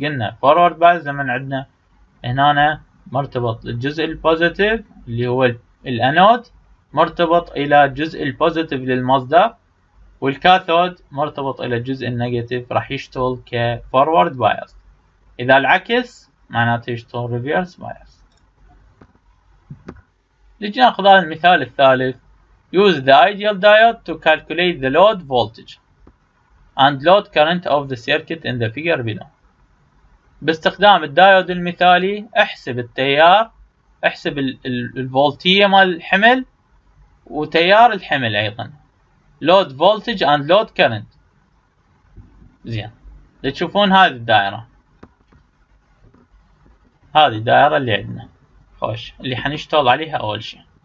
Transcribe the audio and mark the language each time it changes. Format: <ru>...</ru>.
<ar>قلنا forward bias لما عندنا هنا مرتبط الجزء البوزيتيف اللي هو الأنود، مرتبط إلى الجزء البوزيتيف للمصدر، والكاثود مرتبط الى الجزء النيجاتيف، راح يشتغل كفورورد بايس. اذا العكس معناته يشتغل ريفيرس بايس. نجي ناخذ المثال الثالث.</ar> <en>Use the ideal diode to calculate the load voltage and load current of the circuit in the figure below.</en> <ar>باستخدام الدايود المثالي احسب التيار، احسب الفولتية مال الحمل وتيار الحمل ايضا،</ar> <en>load voltage and load current.</en> <ar>زين، لتشوفون هذه الدائرة، هذه الدائرة اللي عندنا خوش اللي حنشتغل عليها اول شيء.</ar>